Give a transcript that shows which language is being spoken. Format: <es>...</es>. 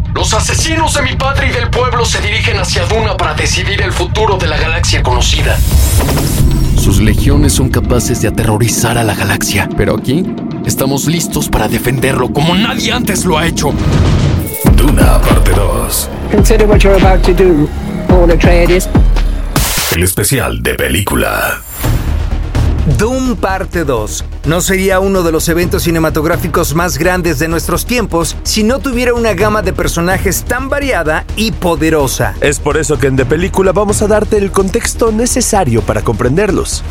<es>Los asesinos de mi padre y del pueblo se dirigen hacia Duna para decidir el futuro de la galaxia conocida. Sus legiones son capaces de aterrorizar a la galaxia, pero aquí estamos listos para defenderlo como nadie antes lo ha hecho. Duna Parte 2.</es> <en>Consider what you're about to do, Paul Atreides.</en> <es>El especial de película. Doom Parte 2 no sería uno de los eventos cinematográficos más grandes de nuestros tiempos si no tuviera una gama de personajes tan variada y poderosa. Es por eso que en The Película vamos a darte el contexto necesario para comprenderlos.</es>